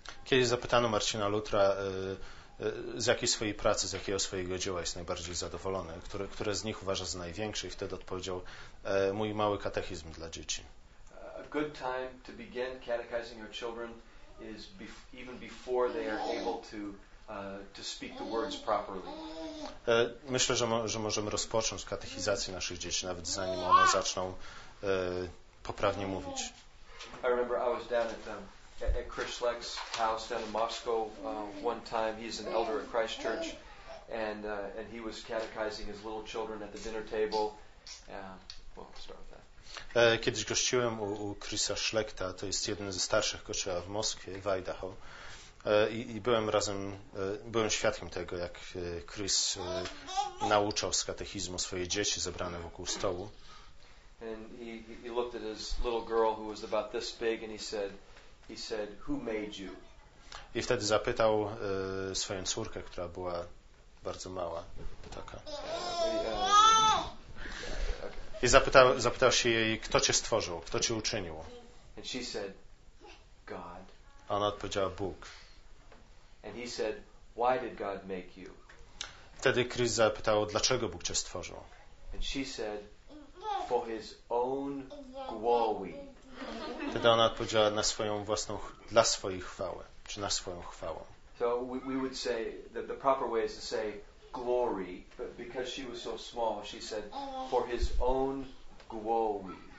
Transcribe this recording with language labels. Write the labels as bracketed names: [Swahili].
[Polish] Kiedy zapytano Marcina Lutra, z jakiej swojej pracy, z jakiego swojego dzieła jest najbardziej zadowolony, które z nich uważa za największe, i wtedy odpowiedział, mój mały katechizm dla dzieci. [English] A good time to begin catechizing your children is even before they are able to speak the words properly. [Polish] Myślę, że możemy rozpocząć katechizację naszych dzieci, nawet zanim one zaczną poprawnie mówić. [English] I remember I was down at them. At Krishlek's house down in Moscow one time. He's an elder at Christ Church, and he was catechizing his little children at the dinner table. We'll start with that. [Polish] Kiedyś gościłem u Krisa Szlekta, to jest jeden ze starszych kościołów w Moskwie, w Idaho, i byłem świadkiem tego, jak Chris nauczał z katechizmu swoje dzieci zebrane wokół stołu. [English] And he looked at his little girl who was about this big, and he said, "Who made you?" [Polish] I wtedy zapytał swoją córkę, która była bardzo mała, taka. I zapytał się jej, kto cię stworzył, kto cię uczynił. [English] And she said, "God." [Polish] A ona odpowiedziała, Bóg. [English] And he said, "Why did God make you?" [Polish] Wtedy Chris zapytał, dlaczego Bóg cię stworzył. [English] And she said, "For His own glory." [Polish] Wtedy ona odpowiedziała na swoją własną, dla swojej chwały, czy na swoją chwałę. [English] So we would say that the proper way is to say glory, but because she was so small, she said for his own glory.